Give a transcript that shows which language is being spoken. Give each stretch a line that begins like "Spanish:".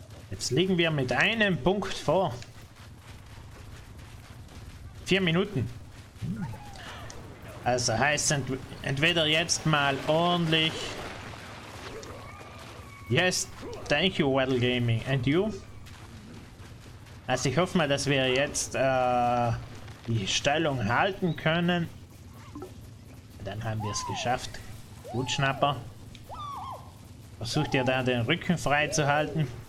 German: Jetzt liegen wir mit einem Punkt vor. 4 Minuten. Also heißt entweder jetzt mal ordentlich.
English: Yes, thank you, Waddle Gaming. And you?
German: Also ich hoffe mal, dass wir jetzt die Stellung halten können. Dann haben wir es geschafft. Gut, Schnapper. Versucht ihr da den Rücken frei zu halten.